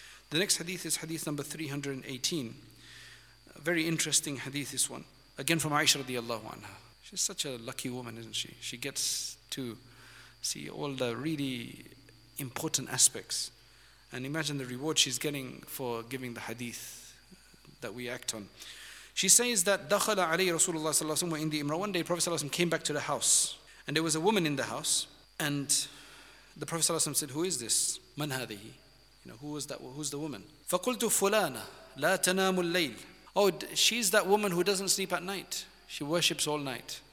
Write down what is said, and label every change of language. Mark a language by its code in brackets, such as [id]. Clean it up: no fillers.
[en] The next hadith is hadith number 318. A very interesting hadith, this one. Again from Aisha radiallahu anha. She's such a lucky woman, isn't she? She gets to see all the really important aspects. And imagine the reward she's getting for giving the hadith that we act on. She says that [ar] دَخَلَ عَلَيْهِ رَسُولُ اللَّهِ صَلَى اللَّهُ عَلَيْهِ وَسَلَّمُ وَإِنْ دِي إِمْرَى. [en] One day Prophet صلى الله عليه وسلم came back to the house, and there was a woman in the house, and the Prophet صلى الله عليه وسلم said, who is this? [ar] مَنْ هَذِهِ. [en] You know, who was that? Who's the woman? [ar] فَقُلْتُ فُلَانَ لَا تَنَامُ اللَّيْلِ. [en] Oh, she's that woman who doesn't sleep at night. She worships all night.